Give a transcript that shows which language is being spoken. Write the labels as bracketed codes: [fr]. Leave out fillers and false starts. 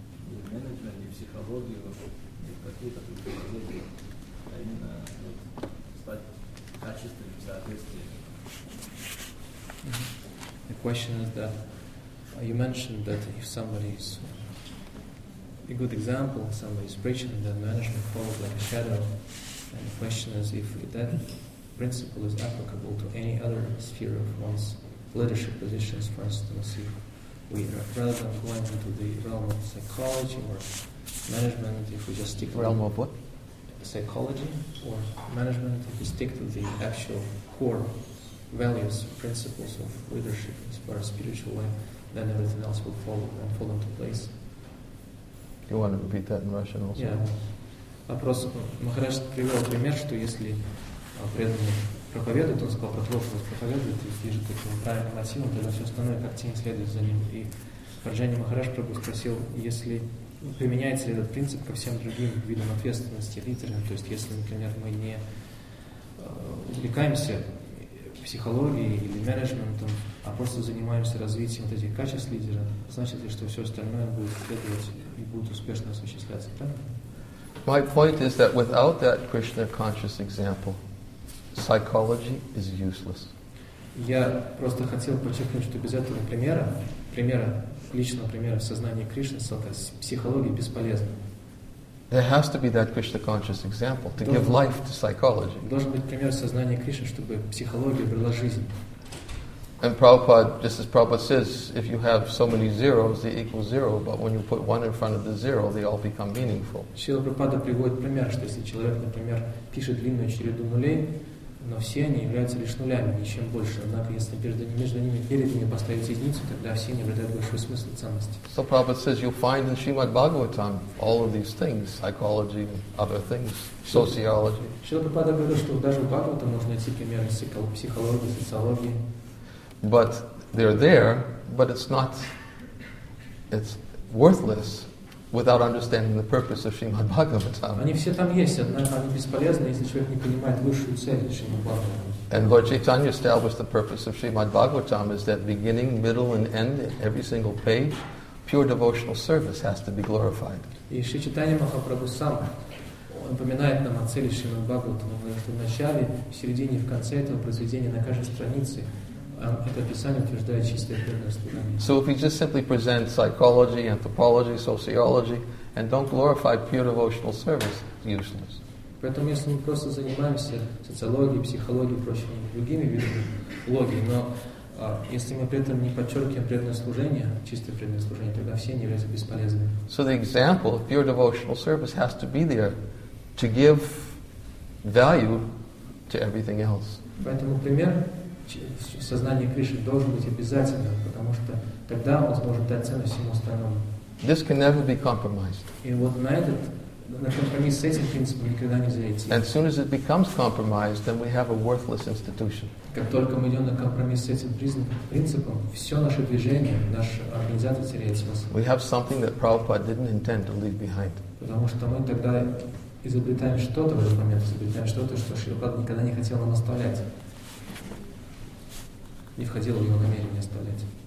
[ru] Не в менеджмент, не в психологию, не в какие-то предприятия, а именно вот, стать качественным в соответствии. [en] The question is that you mentioned that if somebody is a good example, somebody is preaching, then management falls like a shadow. And the question is if that principle is applicable to any other sphere of one's leadership positions. For instance, if we are rather than going into the realm of psychology or management, if we just stick to realm of what? Psychology or management, if we stick to the actual core values, principles of leadership as far as spiritual life, then everything else will follow and fall into place. You want to repeat that in Russian also? [ru] Yeah. Вопрос. Махарадж привел пример, что если преданный проповедует, он сказал, продолжает проповедовать, и держит таким правильным мотивом, тогда все остальное как тень следует за ним. И Раджани Махарадж Прабху спросил, если применяется ли этот принцип ко всем другим видам ответственности лидера, то есть если, например, мы не увлекаемся психологией или менеджментом, а просто занимаемся развитием вот этих качеств лидера, значит ли, что все остальное будет следовать и будет успешно осуществляться, правильно? [en] My point is that without that Krishna conscious example, psychology is useless. [ru] Я просто хотел подчеркнуть, что без этого примера, примера, личного примера в сознании Кришны, психология бесполезна. [en] There has to be that Krishna conscious example to give life to psychology. [ru] Должен быть пример сознания Кришны, чтобы психология обрела жизнь. [en] And Prabhupada, just as Prabhupada says, if you have so many zeros, they equal zero, but when you put one in front of the zero, they all become meaningful. [ru] Шрила Прабхупада приводит пример, что если человек, например, пишет длинную череду нулей, но все они являются лишь нулями, ничем больше. Однако, если между ними поставить единицу, тогда все они обретают большой смысл и ценности. [en] So Prabhupada says, you'll find in Srimad Bhagavatam all of these things, psychology, other things, sociology. [ru] Шрила Прабхупада говорит, что даже в Бхагаватам можно найти примеры психологии, социологии. [en] But they're there, but it's not, it's worthless without understanding the purpose of Srimad Bhagavatam. [ru] Они все там есть, однако они бесполезны, если человек не понимает высшую цель Шримад Бхагаватам. [en] And Lord Chaitanya established the purpose of Srimad Bhagavatam is that beginning, middle, and end, every single page, pure devotional service has to be glorified. [ru] И Шри Чайтанья Махапрабху сам напоминает нам о цели Шримад Бхагаватам. В начале, в середине, в конце этого произведения, на каждой странице, это описание утверждает чистое преданное служение. [en] So if we just simply present psychology, anthropology, sociology, and don't glorify pure devotional service, useless. [ru] Поэтому если мы просто занимаемся социологией, психологией и прочими другими видами логии, но если мы при этом не подчеркиваем преданное служение, чистое преданное служение, тогда все они являются бесполезными. [en] So the example of pure devotional service has to be there to give value to everything else. [ru] Поэтому пример в сознании Кришны должен быть обязательным, потому что тогда он сможет дать цену всему остальному. [en] This can never be compromised. [ru] И вот на этот компромисс с этим принципом никогда не зайти. [en] And soon as it becomes compromised, then we have a worthless institution. [ru] Как только мы идем на компромисс с этим принципом, все наше движение, наш организатор теряет смысл. [en] We have something that Prabhupada didn't intend to leave behind. [ru] Потому что мы тогда изобретаем что-то в этот момент, изобретаем что-то, что Шри Прабхупада никогда не хотел нам оставлять. Не входило в его намерение оставлять.